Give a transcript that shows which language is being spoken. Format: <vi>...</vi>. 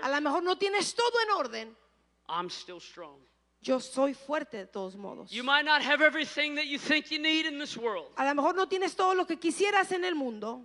<es>A lo mejor no tienes todo en orden.</es> <en>I'm still strong.</en> <es>Yo soy fuerte de todos modos.</es> <en>You might not have everything that you think you need in this world.</en> <es>A lo mejor no tienes todo lo que quisieras en el mundo.</es>